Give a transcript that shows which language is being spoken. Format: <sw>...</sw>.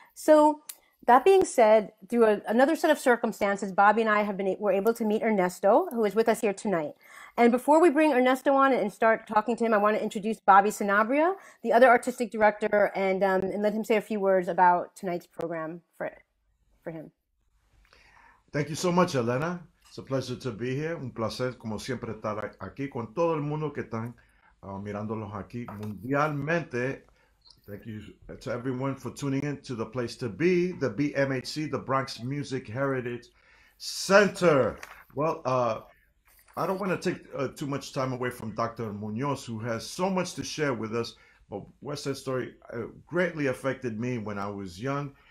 <en>So that being said, through another set of circumstances, Bobby and I were able to meet Ernesto, who is with us here tonight. And before we bring Ernesto on and start talking to him, I want to introduce Bobby Sanabria, the other artistic director, and let him say a few words about tonight's program for him. Thank you so much, Elena. It's a pleasure to be here.</en> <es>Un placer, como siempre, estar aquí con todo el mundo que están mirándolos aquí mundialmente.</es> <en>Thank you to everyone for tuning in to the place to be, the BMHC, the Bronx Music Heritage Center. Well, I don't want to take too much time away from Dr. Munoz, who has so much to share with us, but West Side Story greatly affected me when I was young.</en>